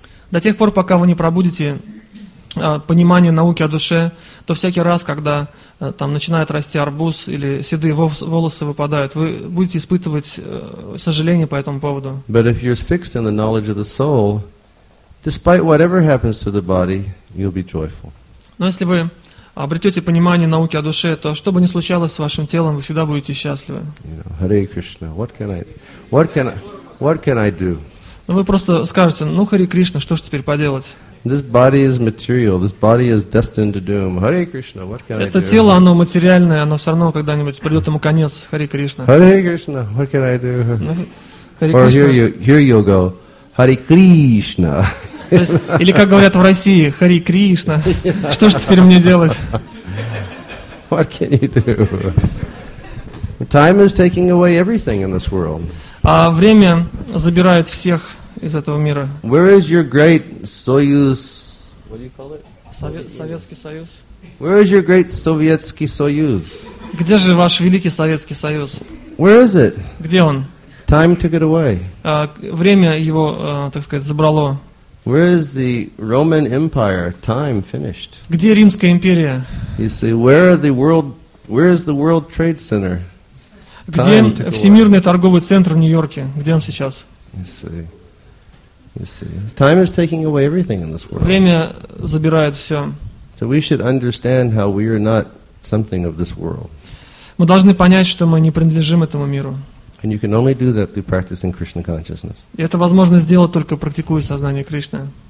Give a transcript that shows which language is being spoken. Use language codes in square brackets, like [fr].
[ru] До тех пор, пока вы не пробудите понимание науки о душе, то всякий раз, когда там начинает расти арбуз или седые волосы выпадают, вы будете испытывать сожаление по этому поводу. [en] But if you're fixed in the knowledge of the soul, despite whatever happens to the body, you'll be joyful. [ru] Но если вы обретете понимание науки о душе, то что бы ни случалось с вашим телом, вы всегда будете счастливы. [en] You know, Hare Krishna, what can I do? [ru] Ну вы просто скажете, ну Hare Krishna, что ж теперь поделать? [en] This body is material. This body is destined to doom. Hare Krishna, what can [ru] это [en] I do? [ru] Это тело, оно материальное, оно все равно когда-нибудь придет ему конец. [en] Hare Krishna. Hare Krishna, what can I do? Hare Krishna. Or here you go. Hare Krishna. [ru] есть, или как говорят в России, Хари Кришна. Что же теперь мне делать? [en] What can you do? Time is taking away everything in this world. [ru] А время забирает всех из этого мира. [en] Where is your great Soyuz? What do you call it? [ru] Советский Союз. [en] Where is your great Sovietski Soyuz? [ru] Где же ваш великий Советский Союз? [en] Where is it? [ru] Где он? [en] Time took it away. [ru] Время его, так сказать, забрало. [en] Where is the Roman Empire? Time finished. [ru] Где Римская империя? [en] You see, where is the World Trade Center? [ru] Где Всемирный торговый центр в Нью-Йорке? Где он сейчас? [en] You see. Time is taking away everything in this world. [ru] Время забирает все. [en] So we should understand how we are not something of this world. [ru] Мы должны понять, что мы не принадлежим этому миру. [en] And you can only do that through practicing Krishna consciousness. [ru] И это возможно сделать только практикуя сознание Кришны.